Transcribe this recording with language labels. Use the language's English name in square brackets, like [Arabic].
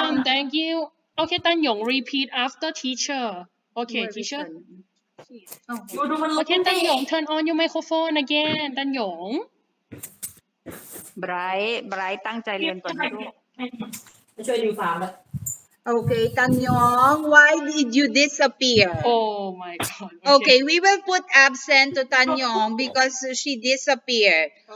[English] Thank you. Okay, Tan Yong, repeat after teacher. Okay, teacher. Okay, Tan Yong, turn on your microphone again, Tan Yong. [Thai] Bright, ตั้งใจเรียนก่อนนะลูก ช่วยดูฟ้าแล้ว [English] Okay, Tan Yong, why did you disappear? Oh my God. Okay, we will put absent to Tan Yong because she disappeared.